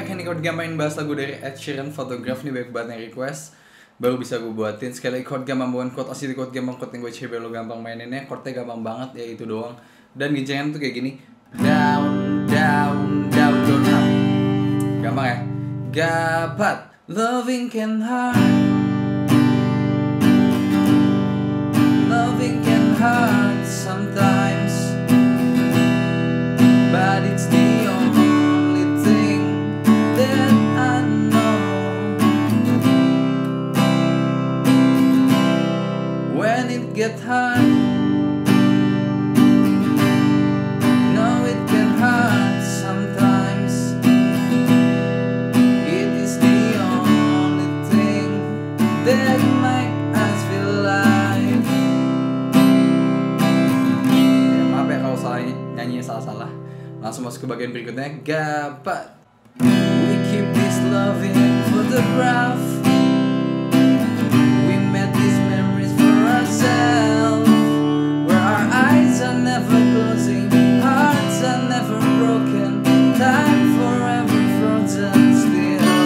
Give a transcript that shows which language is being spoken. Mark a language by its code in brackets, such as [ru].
[id] Kan ini Chord Gampang bahas lagu dari Ed Sheeran, Photograph. Ini banyak banget yang request, baru bisa gue buatin. Sekali lagi Chord Gampang, bukan chord asli. Chord Gampang, chord yang gue cebel lo gampang maininnya. Chordnya gampang banget, ya itu doang. Dan gencengan tuh kayak gini. [en] Down, down, down, down, down. [id] Gampang ya? [en] Gapat, loving can hurt. Loving can hurt sometimes, but it's the only thing that I know. When it gets hard, know it can hurt sometimes. It is the only thing that makes us feel alive. [id] Maaf ya kalau nyanyinya salah-salah. Langsung masuk ke bagian berikutnya. Gapat. [en] We keep this loving photograph. We made these memories for ourselves, where our eyes are never closing, hearts are never broken, time forever frozen still.